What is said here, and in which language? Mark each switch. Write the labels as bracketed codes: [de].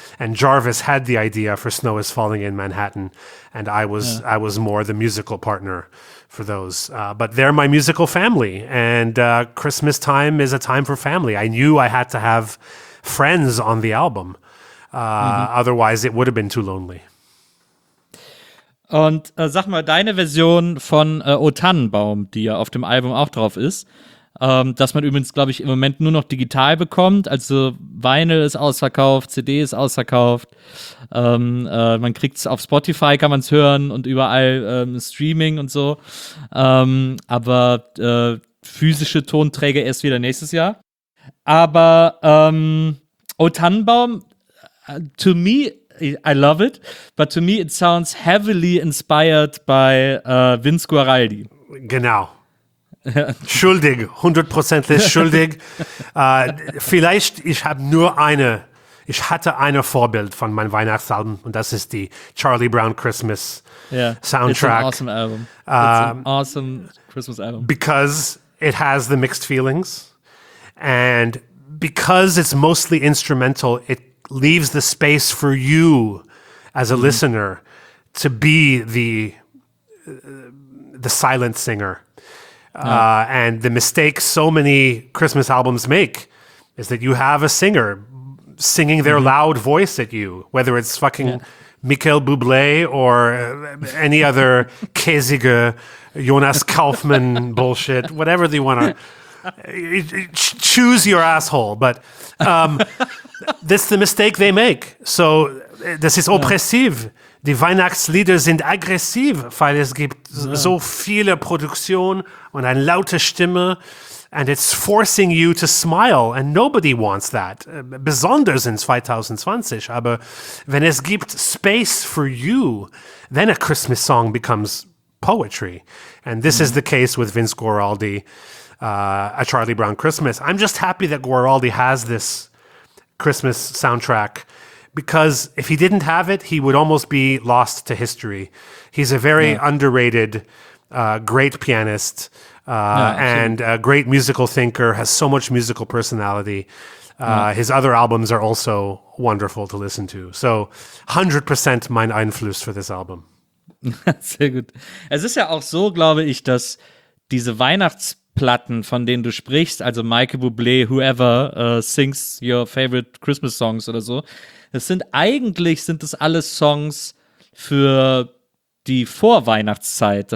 [en] And Jarvis had the idea for Snow is Falling in Manhattan, and I was more the musical partner for those. But they're my musical family, and Christmas time is a time for family. I knew I had to have friends on the album. Otherwise, it would have been too lonely. [de] Und sag mal, deine Version von O Tannenbaum, die ja auf dem Album auch drauf ist, das man übrigens, glaube ich, im Moment nur noch digital bekommt, also Vinyl ist ausverkauft, CD ist ausverkauft, man kriegt es auf Spotify, kann man es hören und überall Streaming und so, aber physische Tonträger erst wieder nächstes Jahr. Aber [en] O Tannenbaum, to me, I love it, but to me it sounds heavily inspired by Vince Guaraldi. [de] Genau. Schuldig, hundertprozentig schuldig. Vielleicht, ich hatte eine Vorbild von meinem Weihnachtsalbum, und das ist die Charlie Brown Christmas Soundtrack. [en] It's an awesome album. It's an awesome Christmas album. Because it has the mixed feelings, and because it's mostly instrumental, it leaves the space for you as a listener to be the silent singer. And the mistake so many Christmas albums make is that you have a singer singing their loud voice at you, whether it's fucking Michael Bublé or any other käsige Jonas Kaufmann bullshit, whatever they want to. Choose your asshole, but this is the mistake they make. So this is oppressiv. [de] Die Weihnachtslieder sind aggressiv, weil es gibt so viele Produktion und eine laute Stimme, [en] and it's forcing you to smile, and nobody wants that, [de] besonders in 2020. Aber wenn es gibt [en] Space for you, then a Christmas song becomes poetry. And this is the case with Vince Guaraldi. A Charlie Brown Christmas. I'm just happy that Guaraldi has this Christmas soundtrack, because if he didn't have it, he would almost be lost to history. He's a very underrated, great pianist, and a great musical thinker, has so much musical personality. His other albums are also wonderful to listen to. So 100% [de] mein Einfluss [en] for this album. [de] Sehr gut. Es ist ja auch so, glaube ich, dass diese Weihnachtsplatten, von denen du sprichst, also Michael Bublé, [en] whoever sings your favorite Christmas songs [de] oder so, sind das alles Songs für die Vorweihnachtszeit.